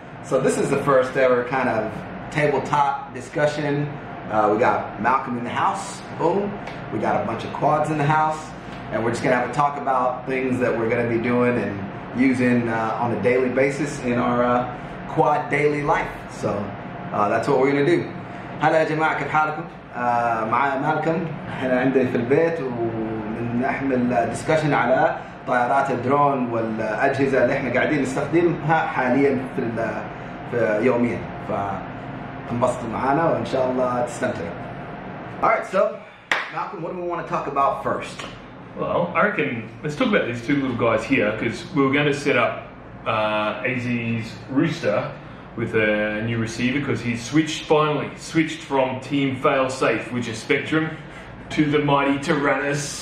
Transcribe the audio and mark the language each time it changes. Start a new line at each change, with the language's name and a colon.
English: So this is the first ever kind of tabletop discussion. We got Malcolm in the house, boom. We got a bunch of quads in the house. And we're just gonna have a talk about things that we're gonna be doing and using on a daily basis in our quad daily life. So that's what we're gonna do.
Arabic: هلا يا جماعة كيف حالكم؟ معايا مالكم. احنا عندي في البيت ونحمل discussion على طائرات الدرون والأجهزة اللي احنا قاعدين نستخدمها حاليا في يوميا. فانبسطوا معانا وان شاء الله تستمتعوا.
English: Alright, so Malcolm, what do we want to talk about first? Well, I reckon, let's talk about these two little guys here, because we were going to set up AZ's Rooster with a new receiver, because he's finally switched from Team Failsafe, which is Spectrum, to the mighty Tyrannus.